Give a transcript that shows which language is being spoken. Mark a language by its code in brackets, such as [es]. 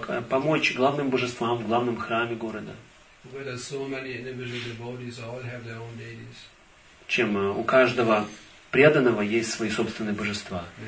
[ru] Помочь главным божествам в главном храме города. [en] Where so many individual devotees all have their own deities. [ru] Чем у каждого преданного есть свои собственные божества.